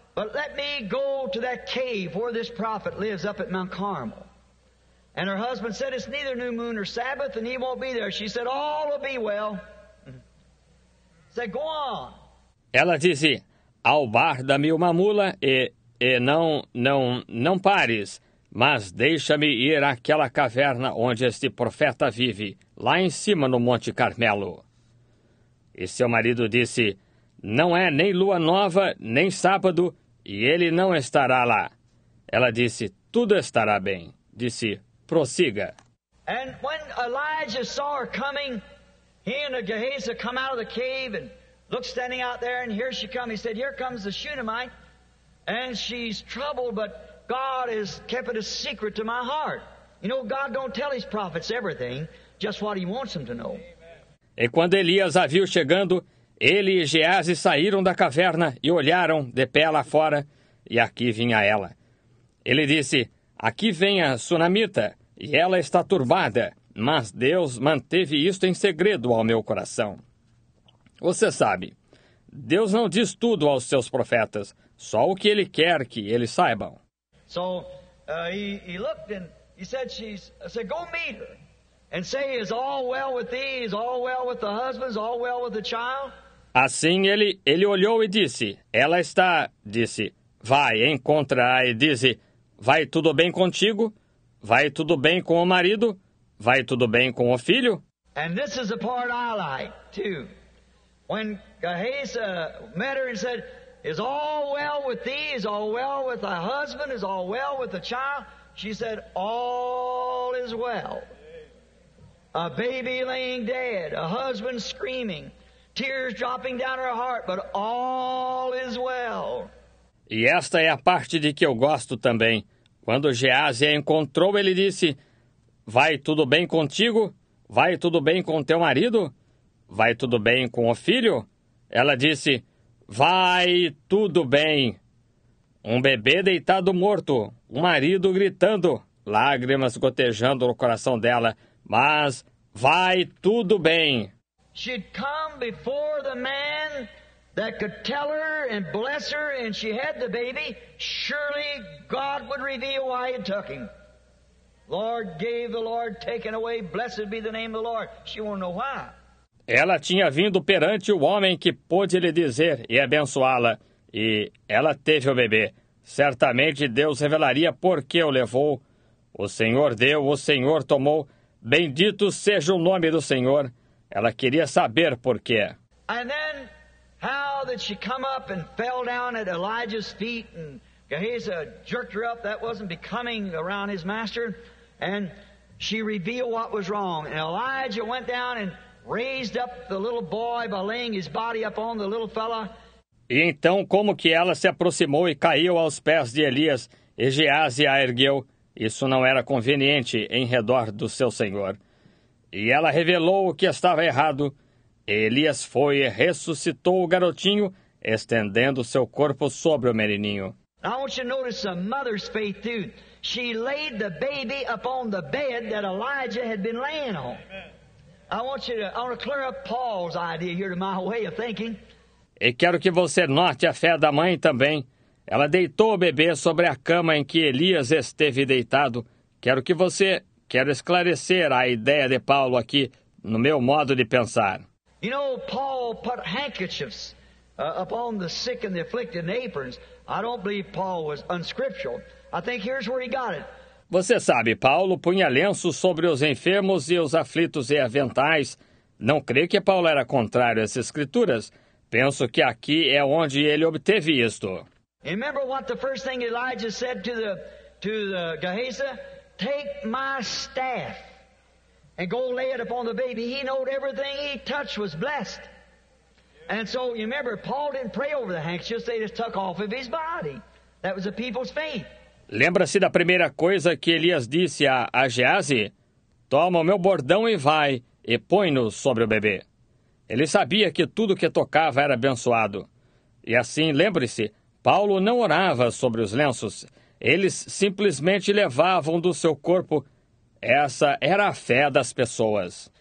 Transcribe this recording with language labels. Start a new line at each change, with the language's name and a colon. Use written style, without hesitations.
English: But let me go to that cave where this prophet lives up at Mount Carmel. And her husband said, it's neither new moon nor Sabbath, and he won't be there. She said, all will be well. Said, go on.
Portuguese: Ela disse, albarda-me uma mula e não pares, mas deixa-me ir àquela caverna onde este profeta vive, lá em cima no Monte Carmelo. E seu marido disse, não é nem lua nova, nem sábado, e ele não estará lá. Ela disse, tudo estará bem. Disse, prossiga.
English: And when Elijah saw her coming, he and Gehazi come out of the cave and look standing out there, and here she comes. He said, here comes the Shunammite. And she's troubled, but God has kept it a secret to my heart. You know, God don't tell his prophets everything, just what he wants them to know.
Portuguese: E quando Elias a viu chegando, ele e Geazi saíram da caverna e olharam de pé lá fora, e aqui vinha ela. Ele disse, aqui vem a sunamita, e ela está turbada, mas Deus manteve isto em segredo ao meu coração. Você sabe, Deus não diz tudo aos seus profetas, só o que ele quer que eles saibam.
English: So, he looked and he said, I said, go meet her. And say, is all well with thee? Is all well with the husbands? All well with the child?
Portuguese: Assim ele olhou e disse, ela está, disse, vai, encontra-a e disse, vai tudo bem contigo? Vai tudo bem com o marido? Vai tudo bem com o filho?
English: And this is the part I like too. When Gehazi met her and said, "Is all well with thee? Is all well with thy husband? Is all well with the child?" She said, "All is well." A baby laying dead, a husband screaming, tears dropping down her heart, but all is well.
Portuguese: E esta é a parte de que eu gosto também. Quando Geazi a encontrou, ele disse, "Vai tudo bem contigo? Vai tudo bem com teu marido? Vai tudo bem com o filho?" Ela disse, "Vai tudo bem." Um bebê deitado morto, um marido gritando, lágrimas gotejando no coração dela, mas vai tudo bem.
English: She'd come before the man that could tell her and bless her, and she had the baby. Surely God would reveal why he took him. Lord gave, the Lord taken away. Blessed be the name of the Lord. She won't know why.
Portuguese: Ela tinha vindo perante o homem que pôde lhe dizer e abençoá-la, e ela teve o bebê. Certamente Deus revelaria por que o levou. O Senhor deu, o Senhor tomou. Bendito seja o nome do Senhor. Ela queria saber por quê.
English: And then, how did she come up and fell down at Elijah's feet, and Gehazi jerked her up? That wasn't becoming around his master. And she revealed what was wrong. And Elijah went down and raised up the little boy by laying his body up on the little fella.
Portuguese: E então, como que ela se aproximou e caiu aos pés de Elias, e Geazi a ergueu? Isso não era conveniente em redor do seu senhor. E ela revelou o que estava errado. Elias foi e ressuscitou o garotinho, estendendo seu corpo sobre o menininho.
English: I want you to notice a mother's faith too. She laid the baby upon the bed that Elijah had been laying on. I want to clear up Paul's idea here to my way of thinking.
Portuguese: E quero que você note a fé da mãe também. Ela deitou o bebê sobre a cama em que Elias esteve deitado. Quero esclarecer a ideia de Paulo aqui, no meu modo de pensar.
English: You know, Paul put handkerchiefs upon the sick and the afflicted in aprons. I don't believe Paul was unscriptural. I think here's where he got it.
Portuguese: Você sabe, Paulo punha lenços sobre os enfermos e os aflitos e aventais. Não creio que Paulo era contrário às escrituras. Penso que aqui é onde ele obteve isto.
English: Remember what the first thing Elijah said to the Gehazi? Take my staff and go lay it upon the baby. He knowed everything he touched was blessed. And so, you remember, Paul didn't pray over the handkerchiefs, they just took off of his body. That was the people's faith.
Portuguese: Lembra-se da primeira coisa que Elias disse a Geazi? Toma o meu bordão e vai, e põe-no sobre o bebê. Ele sabia que tudo que tocava era abençoado. E assim, lembre-se, Paulo não orava sobre os lenços. Eles simplesmente levavam do seu corpo. Essa era a fé das pessoas.